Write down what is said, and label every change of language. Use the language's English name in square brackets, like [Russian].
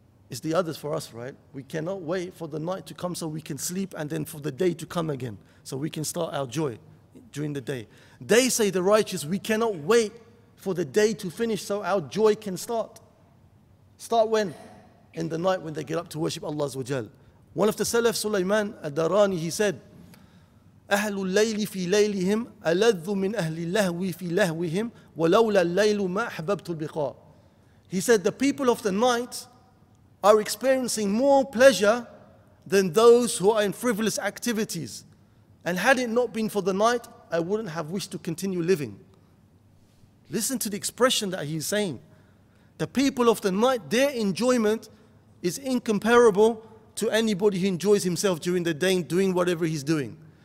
[English] It's the others for us, right? We cannot wait for the night to come so we can sleep and then for the day to come again, so we can start our joy during the day. They say, the righteous, we cannot wait for the day to finish so our joy can start. Start when? in the night when they get up to worship Allah Azza wa Jal. One of the Salaf, Sulaiman al-Darani, he said, [Arabic] أَهْلُ اللَّيْلِ فِي لَيْلِهِمْ أَلَذُّ مِنْ أَهْلِ اللَّهْوِ فِي لَهْوِهِمْ وَلَوْلَ اللَّيْلُ مَا أَحْبَبْتُ الْبِقَاءِ. [English] He said, the people of the night are experiencing more pleasure than those who are in frivolous activities. And had it not been for the night, I wouldn't have wished to continue living. Listen to the expression that he's saying. The people of the night, their enjoyment is incomparable to anybody who enjoys himself during the day doing whatever he's doing.